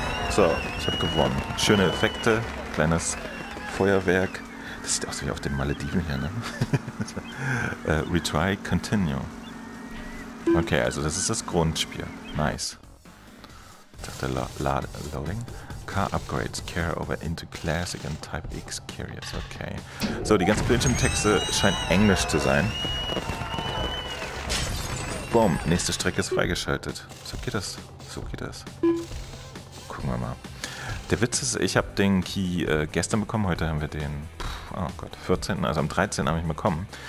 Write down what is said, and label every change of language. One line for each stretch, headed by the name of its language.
German: So, ich habe gewonnen. Schöne Effekte, kleines Feuerwerk. Das sieht aus wie auf den Malediven hier, ne? retry, continue. Okay, also das ist das Grundspiel. Nice. Ich dachte, loading.
English: Car upgrades, carryover into classic and type X carriers. Okay.
German: So, die ganzen Bildschirmtexte scheinen Englisch zu sein. Boom, nächste Strecke ist freigeschaltet. So geht das. So geht das. Gucken wir mal. Der Witz ist, ich habe den Key gestern bekommen. Heute haben wir den, oh Gott, 14. Also am 13. habe ich bekommen.